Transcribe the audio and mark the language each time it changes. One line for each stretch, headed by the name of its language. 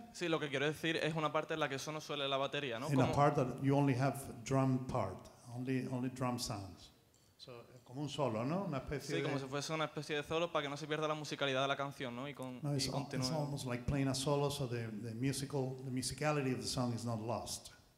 Spanish: Sí, lo que quiero decir es una parte en la que solo suena la batería, ¿no?
English: In a part that you only have drum part, only drum sounds.
Spanish: So, como un solo, ¿no? Una especie. Sí, como si fuese una especie de solo para que no se pierda la musicalidad de la canción, ¿no? Y con.
English: No, it's almost like playing a solo, so the musicality of the song is not lost.